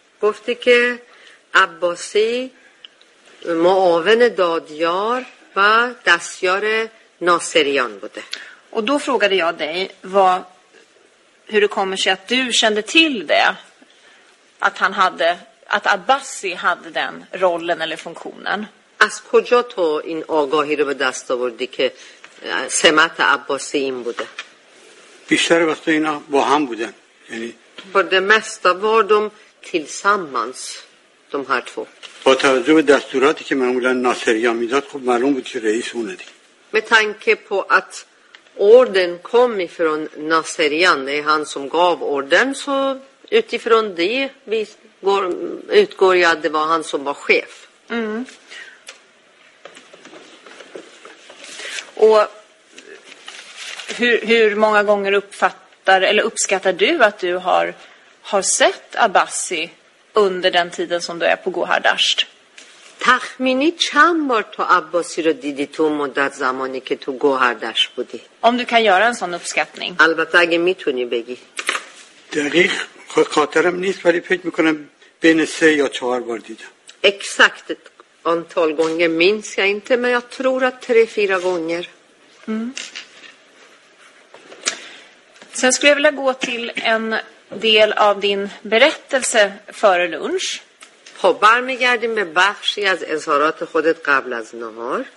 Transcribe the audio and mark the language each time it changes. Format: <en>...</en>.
<fa>Gofte ke Abbasi muaven dadjar va dastjar Nasserian bude.</fa> <sv>Och då frågade jag dig vad, hur det kommer sig att du kände till det, att han hade, att Abbasi hade den rollen eller funktionen.</sv> <fa>از کجا تو این آگاهی رو به دست آوردی که سمت عباسی این بوده؟ بیشتر وقتا اینا با هم بودن. یعنی</fa> <en>for the most of them</en> <sv>tillsammans de här två.</sv> <fa>با توجه به دستوراتی که معمولا ناصریان میداد خب معلوم بود که رئیس اون دیگه.</fa> <sv>Med tanke på att orden kom ifrån Nasserian, det är han som gav orden, så utifrån det vi går, utgår jag att det var han som var chef. Mm. Och hur många gånger uppfattar eller uppskattar du att du har sett Abbasi under den tiden som du är på Gohardasht?</sv> <fa>تخمینی چند بار تو عباسی رو دیدی تو مدت زمانی که تو گوهردشت بودی؟</fa> <sv>Om du kan göra en sån uppskattning.</sv> <fa>البته اگه میتونی بگی. دقیق خاطرم نیست ولی فکر میکنم بین 3 یا 4 بار دیدم.</fa> <sv>Exakt. Antal gånger minns jag inte, men jag tror att 3-4 gånger. Mm. Sen skulle jag vilja gå till en del av din berättelse före lunch.</sv> <fa>Ha barmigärdin med bakshi az ezharat khodet qabl az nahar.</fa>